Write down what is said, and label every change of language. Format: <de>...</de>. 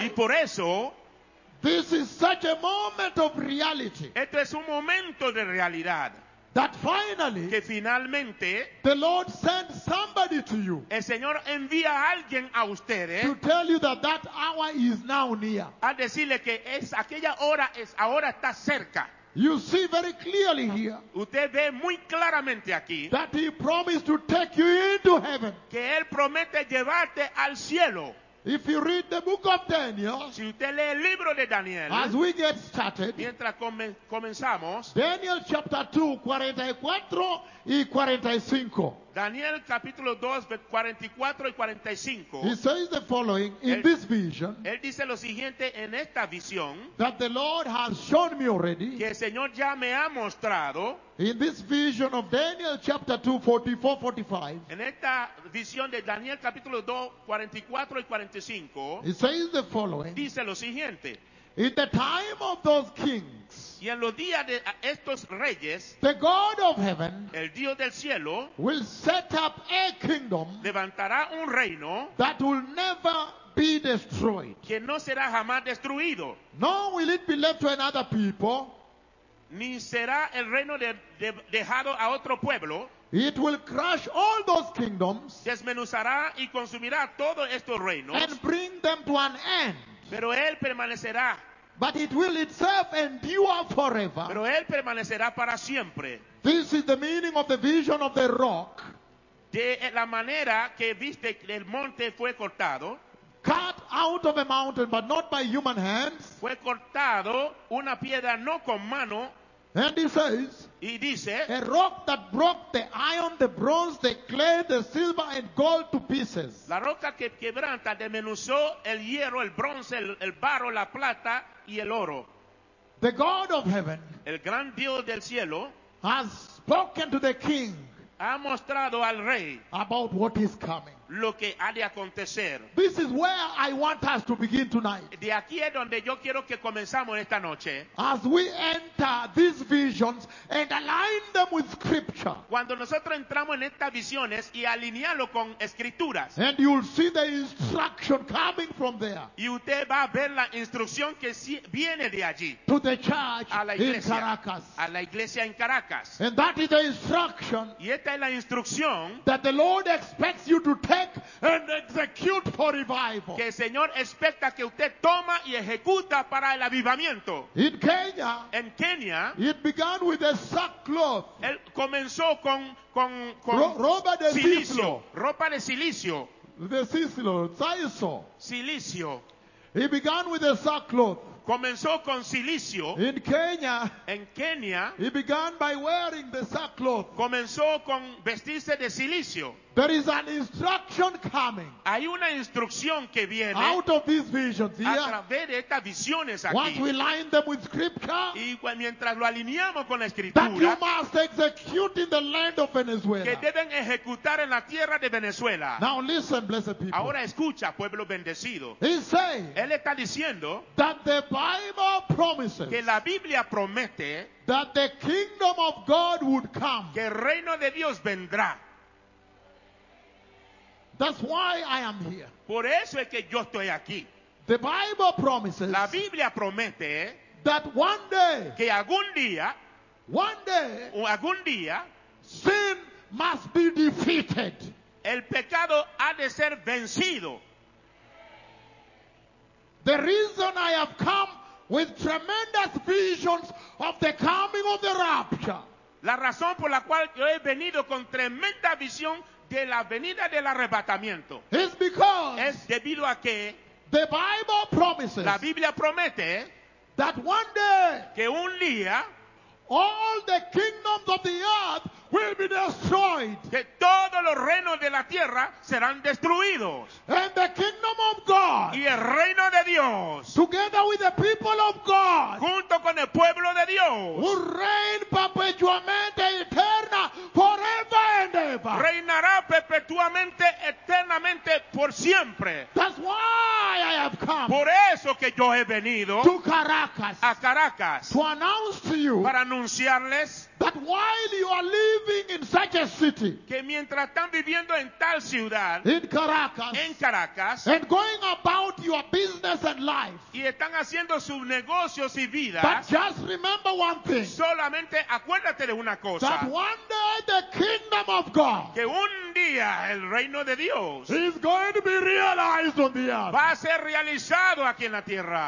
<es>y por eso,</es> <en>this is such a moment of reality.</en> <es>Esto es un momento de realidad.</es> <en>That finally,</en> <es>que finalmente,</es> <en>the Lord sent somebody to you.</en> <es>El Señor envía a alguien a ustedes.</es> <en>To tell you that that hour is now near.</en> <es>A decirle que es aquella hora es ahora está cerca.</es> <en>You see very clearly here.</en> <es>Usted ve muy claramente aquí.</es> <en>That he promised to take you into heaven.</en> <es>Que él promete llevarte al cielo.</es> <en>If you read the book of Daniel,</en> <es>si usted lee el libro de Daniel,</es> <en>as we get started,</en> <es>mientras comenzamos,</es> <en>Daniel chapter 2, 44</en> <es>y</es> <en>45.</en> <es>Daniel capítulo 2, 44 y 45.</es> <en>He says the following in this vision.</en> <es>Él dice lo siguiente en esta visión.</es> <en>That the Lord has shown me already.</en> <es>Que el Señor ya me ha mostrado.</es> <en>In this vision of Daniel chapter 2, 44, 45.</en> <es>En esta visión de Daniel capítulo 2, 44 y 45.</es> <en>He says the following.</en> <es>Dice lo siguiente.</es> <en>In the time of those kings,</en> <es>y en los días de estos reyes,</es> <en>the God of heaven,</en> <es>el Dios del cielo,</es> <en>will set up a kingdom,</en> <es>levantará un reino,</es> <en>that will never be destroyed,</en> <es>que no será jamás destruido,</es> <en>nor will it be left to another people,</en> <es>ni será el reino dejado a otro pueblo.</es> <en>It will crush all those kingdoms,</en> <es>desmenuzará y consumirá todos estos reinos,</es> <en>and bring them to an end.</en> <es>Pero él permanecerá.</es> <en>But it will itself endure forever.</en> <es>Pero él permanecerá para siempre.</es> <en>This is the meaning of the vision of the rock.</en> <es>De la manera que viste el monte fue cortado.</es> <en>Cut out of a mountain, but not by human hands.</en> <es>Fue cortado una piedra no con mano.</es> <en>And he says,</en> <es>y dice,</es> <en>a rock that broke the iron, the bronze, the clay, the silver, and gold to pieces.</en> <es>La roca que quebranta, desmenuzó el hierro, el bronce, el barro, la plata y el oro.</es> <en>The God of heaven,</en> <es>el gran Dios del cielo,</es> <en>has spoken to the king,</en> <es>ha mostrado al rey,</es> <en>about what is coming.</en> <es>Lo que ha de acontecer.</es> <en>This is where I want us to begin tonight.</en> <es>De aquí es donde yo quiero que comenzamos esta noche.</es> <en>As we enter these visions and align them with scripture.</en> <es>Cuando nosotros entramos en estas visiones y alinearlo con escrituras.</es> <en>And you'll see the instruction coming from there.</en> <es>Y usted va a ver la instrucción que viene de allí.</es> <en>To the church</en> <es>a la iglesia,</es> <en>in Caracas.</en> <es>A la iglesia en Caracas.</es> <en>And that is the instruction.</en> <es>Y esta es la instrucción.</es> <en>That the Lord expects you to take and execute for revival.</en> <es>Que el Señor espera que usted toma y ejecuta para el avivamiento.</es> <en>In Kenya,</en> <es>en Kenia,</es> <en>it began with a sackcloth.</en> <es>Él comenzó con ropa de silicio. Ropa de silicio.</es> <en>The silicio.</en> <es>Silicio.</es> <en>It began with a sackcloth.</en> <es>Comenzó con silicio.</es> <en>In Kenya,</en> <es>en Kenia,</es> <en>he began by wearing the sackcloth.</en> <es>Comenzó con vestirse de silicio.</es> <en>There is an instruction coming.</en> <es>Hay una instrucción que viene.</es> <en>Out of these visions here.</en> <es>A través de estas visiones aquí.</es> <en>Once we line them with scripture.</en> <es>Y mientras lo alineamos con la escritura.</es> <en>That you must execute in the land of Venezuela.</en> <es>Que deben ejecutar en la tierra de Venezuela.</es> <en>Now listen, blessed people.</en> <es>Ahora escucha, pueblo bendecido.</es> <en>He say.</en> <es>Él está diciendo.</es> <en>That the Bible promises.</en> <es>Que la Biblia promete.</es> <en>That the kingdom of God would come.</en> <es>Que el reino de Dios vendrá.</es> <en>That's why I am here.</en> <es>Por eso es que yo estoy aquí.</es> <en>The Bible promises.</en> <es>La Biblia promete.</es> <en>That one day.</en> <es>Que algún día.</es> <en>One day.</en> <es>O algún día.</es> <en>Sin must be defeated.</en> <es>El pecado ha de ser vencido.</es> <en>The reason I have come with tremendous visions of the coming of the rapture.</en> <es>La razón por la cual yo he venido con tremenda visión de la venida del arrebatamiento</es> <en>is because</en> <es>es debido a que</es> <en>The Bible promises</en> <es>la Biblia promete</es> <en>that one day</en> <es>que un día</es> <en>all the kingdoms of the earth will be destroyed.</en> <es>Que todos los reinos de la tierra serán destruidos.</es> <en>And the kingdom of God.</en> <es>Y el reino de Dios.</es> <en>Together with the people of God.</en> <es>Junto con el pueblo de Dios.</es> <en>Will reign</en> <es>perpetuamente eterna</es> <en>forever and ever.</en> <es>Reinará perpetuamente eternamente por siempre.</es> <en>That's why I have come.</en> <es>Por eso que yo he venido.</es> <en>To Caracas.</en> <es>A Caracas.</es> <en>To announce to you.</en> <es>Para anunciarles.</es> <en>That while you are living in such a city,</en> <es>que mientras están viviendo en tal ciudad,</es> <en>in Caracas,</en> <es>en Caracas,</es> <en>and going about your business and life,</en> <es>y están haciendo sus negocios y vidas,</es> <en>but just remember one thing,</en> <es>solamente acuérdate de una cosa,</es> <en>that one day the kingdom of God,</en> <es>que un día el reino de Dios,</es> <en>is going to be realized on the earth,</en> <es>va a ser realizado aquí en la tierra.</es>